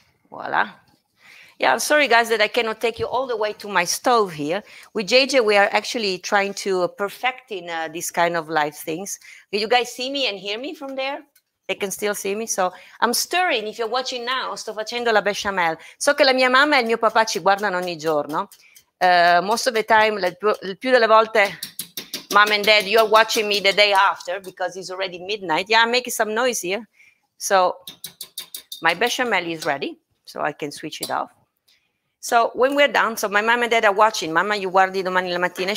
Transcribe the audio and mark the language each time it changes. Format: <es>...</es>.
<en>Voila. Yeah, I'm sorry guys that I cannot take you all the way to my stove here. With JJ, we are actually trying to perfect in this kind of live things. Can you guys see me and hear me from there? They can still see me. So I'm stirring. If you're watching now,</en> <it>sto facendo la bechamel. So che la mia mamma e il mio papà ci guardano ogni giorno.</it> <en>Most of the time,</en> <it>più delle volte,</it> <en>mom and dad, you're watching me the day after because it's already midnight. Yeah, I'm making some noise here. So my bechamel is ready, so I can switch it off. So when we're done, so my mom and dad are watching. Mama, you</en> <it>guardi domani la mattina.</it>